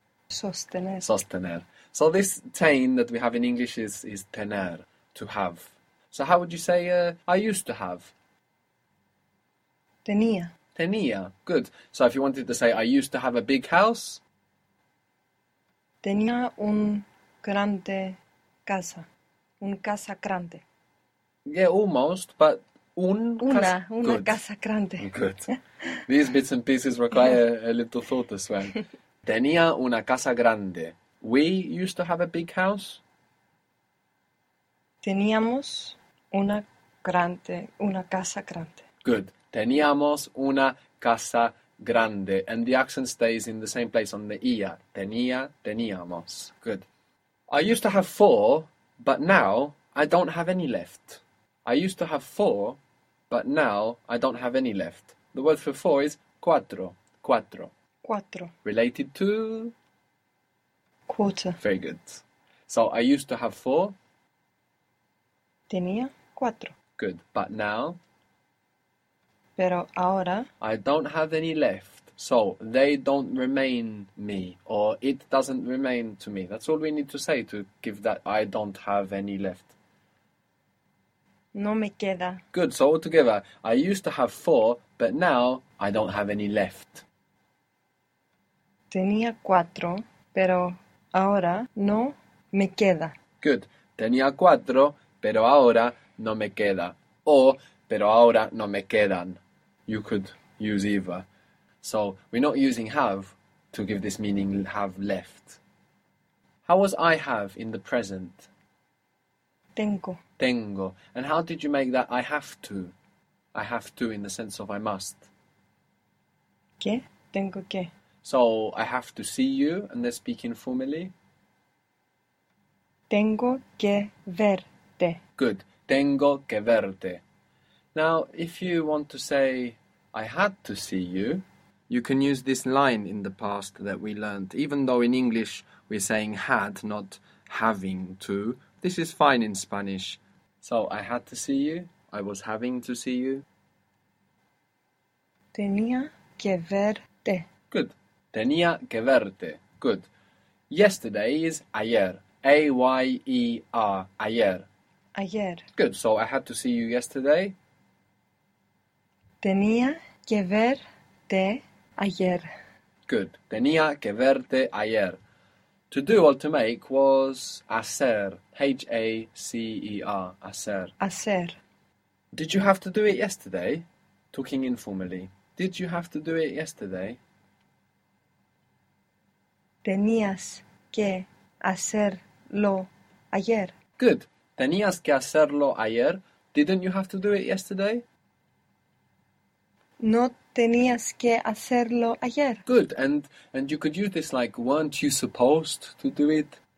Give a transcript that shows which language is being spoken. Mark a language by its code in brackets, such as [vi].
[es] Sostener. Sostener. [en] So this tain that we have in English is tener, to have. So how would you say I used to have? [es] Tenía. Tenía. [en] Good. So if you wanted to say I used to have a big house. [es] Tenía un grande casa, un casa grande. [en] Yeah, almost, but [es] un casa. Una [en] Good. [es] casa grande. [en] Good. These bits and pieces require a little thought as well. [es] Tenía una casa grande. [en] We used to have a big house. [es] Teníamos una casa grande. [en] Good. [es] Teníamos una casa grande. [en] And the accent stays in the same place on the ia. [es] Tenía, teníamos. [en] Good. I used to have four, but now I don't have any left. I used to have four, but now I don't have any left. The word for four is cuatro. Cuatro. [es] Cuatro. [en] Related to. Quarter. Very good. So I used to have four. [es] Tenía cuatro. [en] Good. But now. [es] Pero ahora. [en] I don't have any left. So they don't remain me. Or it doesn't remain to me. That's all we need to say to give that I don't have any left. [es] No me queda. [en] Good. So altogether, I used to have four, but now I don't have any left. [es] Tenía cuatro, pero ahora no me queda. [en] Good. [es] Tenía cuatro, pero ahora no me queda. O, pero ahora no me quedan. [en] You could use either. So, we're not using have to give this meaning have left. How was I have in the present? [es] Tengo. Tengo. [en] And how did you make that I have to? I have to in the sense of I must. [es] ¿Qué? Tengo qué. [en] So, I have to see you, and they're speaking formally. [es] Tengo que verte. [en] Good. [es] Tengo que verte. [en] Now, if you want to say, I had to see you, you can use this line in the past that we learnt. Even though in English we're saying had, not having to, this is fine in Spanish. So, I had to see you. I was having to see you. [es] Tenía que verte. [en] Good. [es] Tenía que verte. [en] Good. Yesterday is ayer. [es] A-Y-E-R, ayer. Ayer. [en] Good, so I had to see you yesterday. [es] Tenía que verte ayer. [en] Good, [es] tenía que verte ayer. [en] To do or to make was hacer, H-A-C-E-R, hacer. [es] Hacer. [en] Did you have to do it yesterday? Talking informally. Did you have to do it yesterday? [es] Tenías que hacerlo ayer. [en] Good. [es] Tenías que hacerlo ayer. [en] Didn't you have to do it yesterday? [es] No tenías que hacerlo ayer. [en] Good. And you could use this like, weren't you supposed to do it?